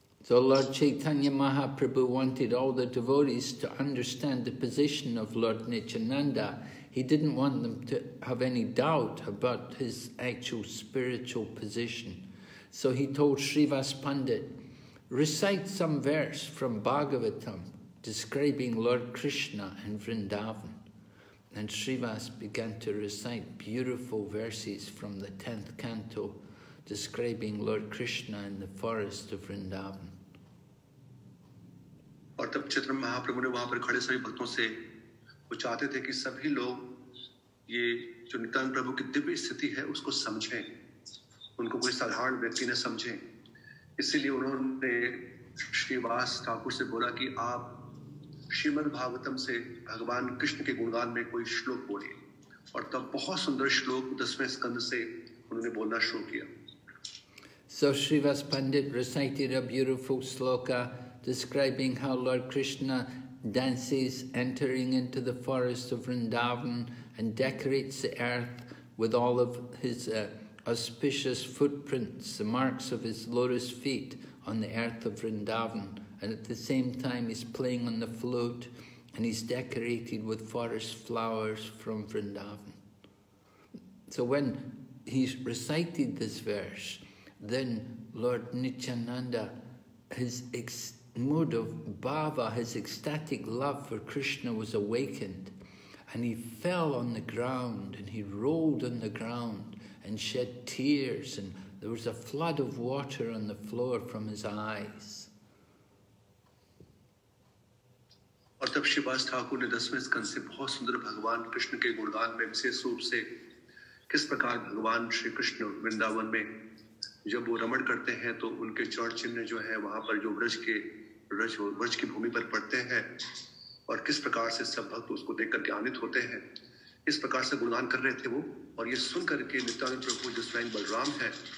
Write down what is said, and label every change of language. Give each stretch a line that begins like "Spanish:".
English: So Lord Chaitanya Mahaprabhu wanted all the devotees to understand the position of Lord Nityananda. He didn't want them to have any doubt about his actual spiritual position. So he told Srivas Pandit, recite some verse from Bhagavatam describing Lord Krishna and Vrindavan. And Srivas began to recite beautiful verses from the 10th canto describing Lord Krishna in the forest of Vrindavan.
Hindi: और तब चित्र महाप्रभु ने वहां पर खड़े सभी भक्तों से वो चाहते थे कि सभी लोग ये जो नित्यानंद प्रभु की दिव्य स्थिति है उसको समझें, उनको कोई साधारण व्यक्ति ने समझें, इसीलिए उन्होंने श्रीवास ठाकुर से बोला कि आप श्रीमद् भागवतम से भगवान कृष्ण के गुणगान में कोई श्लोक बोलिए, और तब बहुत सुंदर श्लोक 10वें स्कंद से उन्होंने बोलना शुरू किया।
English: So Srivas Pandit recited a beautiful sloka describing how Lord Krishna dances entering into the forest of Vrindavan and decorates the earth with all of his auspicious footprints, the marks of his lotus feet on the earth of Vrindavan. And at the same time he's playing on the flute and he's decorated with forest flowers from Vrindavan. So when he's recited this verse, then Lord Nityananda, his mood of bhava, his ecstatic love for Krishna was awakened, and he fell on the ground and he rolled on the ground and shed tears, and there was a flood of water on the floor from his eyes.
Hindi: और तब श्रीवास ठाकुर ने 10वें स्कंद से बहुत सुंदर भगवान कृष्ण के गुणगान में विशेष रूप से किस प्रकार भगवान श्री कृष्ण वृंदावन में जब वो रमण करते हैं तो उनके चरण चिन्ह जो है वहां पर जो वृक्ष की भूमि पर पड़ते हैं और किस प्रकार से सब भक्त उसको देखकर ज्ञानित होते हैं, इस प्रकार से गुणगान कर रहे थे वो, और ये सुन करके नित्यानंद प्रभु जो स्वयं बलराम है